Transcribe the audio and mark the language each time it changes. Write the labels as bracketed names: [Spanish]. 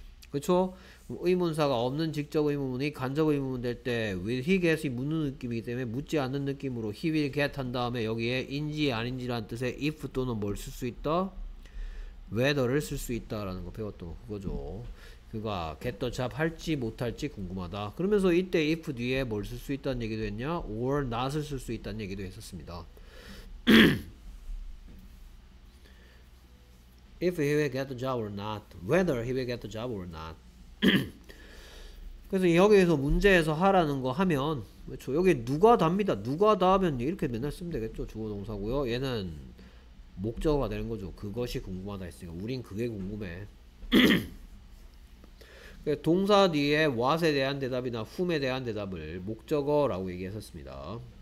[Korean] 그쵸? 의문사가 없는 직접 의문문이 간접 의문문 될때 [English] will he get [Korean] 이 묻는 느낌이기 때문에 묻지 않는 느낌으로 [English] he will get [Korean] 한 다음에 여기에 인지 아닌지라는 뜻의 if 또는 뭘쓸수 있다? whether를 쓸수 있다라는 거 배웠던 거 그거죠. 그가 [English] get the job [Korean] 할지 못할지 궁금하다. 그러면서 이때 if 뒤에 뭘쓸수 있다는 얘기도 했냐? or not을 쓸수 있다는 얘기도 했었습니다. [English] if he will get the job or not, whether he will get the job or not. [Korean] 그래서 여기에서 문제에서 하라는 거 하면, 그렇죠? 여기 누가 답니다. 누가 답하면 이렇게 맨날 쓰면 되겠죠. 주어 동사고요. 얘는 목적어가 되는 거죠. 그것이 궁금하다 했으니까 우린 그게 궁금해. 동사 뒤에 what에 대한 대답이나 whom에 대한 대답을 목적어라고 얘기했었습니다.